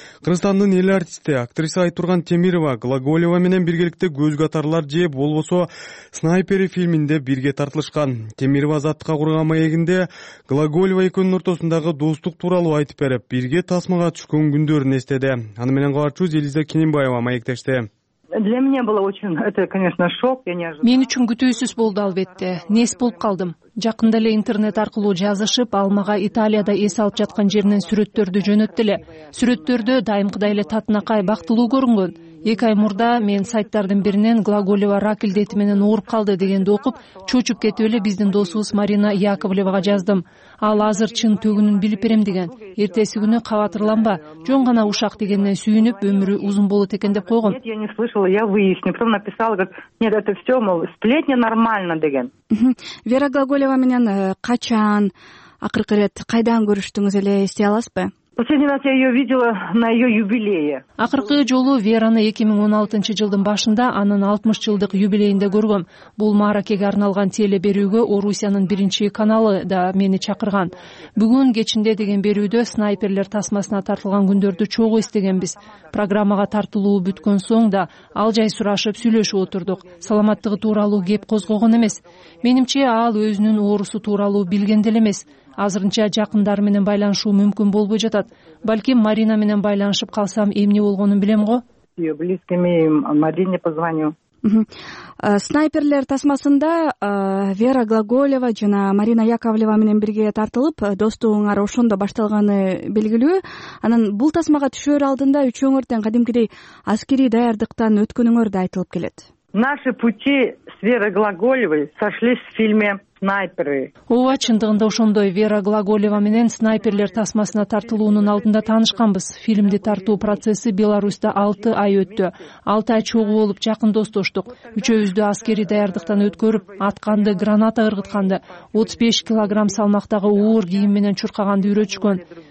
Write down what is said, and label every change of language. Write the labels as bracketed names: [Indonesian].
[Kyrgyz] Кыргызстандын эл артисти, актриса Айтурган Темирова Глаголева менен биргеликте көз катарлар же болбосо снайпери фильминде бирге тартылышкан. Темирова Азаттыкка курган маегинде Глаголева экөөнүн ортосундагы достук тууралуу айтып берип, бирге тасмага түшкөн күндөрүн эстеди. Аны менен кабарчубуз Элиза Кененбаева маектеште. [Russian] Для меня было очень, это, конечно, шок, я не ожидала. [Kyrgyz] Мен үчүн күтүүсүз болду албетте. Нес болуп калдым. Жакында эле интернет аркылуу жазышып, ал мага Италияда эс алып жаткан жеринен сүрөттөрдү жөнөттү эле. Сүрөттөрдө дайымкыдай эле татынакай, бактылуу көрүнгөн. 2 ай мурда мен сайттардын биринен Глаголева рак илдети менен ооруп калды дегенди окуп, чочуп кетип эле биздин досубуз Марина Яковлевага жаздым. Ал азыр чын төгүнүн билип берем деген. Эртеси күнү кабатырланба, жөн гана ушак дегенден сүйүнүп, өмүрү узун болот экен деп койгом. [Russian] Я не слышала, я выясню. Потом написала, говорит, нет, это все, мол, сплетня нормально [Kyrgyz] деген. Вера Глаголева менен качан, акыркы ирет, кайдан көрүштүңүз эле, эстей аласызбы? [Russian] Последний раз я ее видела на ее юбилее. [Kyrgyz] Акыркы жолу Вераны 2016 жылдын башында анын 60 жылдык юбилейинде көргөм. Бул Маракеге арналган телеберүүгө Орусиянын биринчи каналы да мени чакырган. Бүгүн кечинде деген берүүдө снайперлер тасмасына тартылган күндөрдү чогуу эстегенбиз. Программага тартылуу бүткөн соң да ал жай сурашып сүйлөшүп отурдук. Саламаттыгы тууралуу кеп козгогон эмес. Менимче ал өзүнүн оорусу тууралуу билгенде эле эмес. Азырынча жакындары менен байланышуу мүмкүн болбой жатат. Балким Марина менен байланышып калсам эмне болгонун билем го? [Russian] Я близкими Марине позвоню. [Kyrgyz] Снайперлер тасмасында Вера Глаголева жана Марина Яковлева менен бирге тартылып, достугуңар ошондо башталганы белгилүү. Анан бул тасмага түшөр алдында үчөөңөр тең кадимкидей аскерий даярдыктан өткөнүңөр да айтылып келет. [Russian] Наши пути с Верой Глаголевой сошлись в фильме «Снайперы». [Kyrgyz] Ова, чындыгында ошондой Вера Глаголева менен снайперлер тасмасына тартылуунун алдында таанышканбыз. Фильмди тартуу процесси Беларусьта 6 ай өттү. 6 ай чогуу болуп жакын достоштук. Үчөбүздү аскерий даярдыктан өткөрүп, атканды, граната ыргытканды, 35 килограмм салмактагы оор кийим менен чуркаганды үйрөтүшкөн.